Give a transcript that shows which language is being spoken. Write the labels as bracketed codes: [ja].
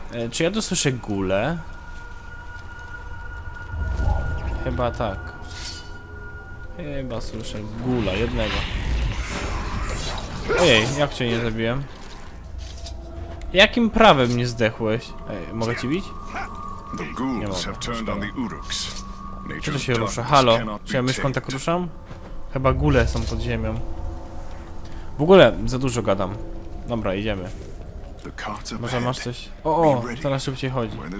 [pl] Czy ja tu słyszę gule? Chyba tak. Chyba słyszę gula jednego. Ojej, jak cię nie zabiłem? Jakim prawem mnie zdechłeś? Ej, mogę ci bić? [en] The ghouls have turned on the Uruks. [pl] Nature się rusza. Halo, czy ja myszką tak ruszam? Chyba gule są pod ziemią. W ogóle za dużo gadam. Dobra, idziemy. Może masz coś. O, o, teraz szybciej chodzi.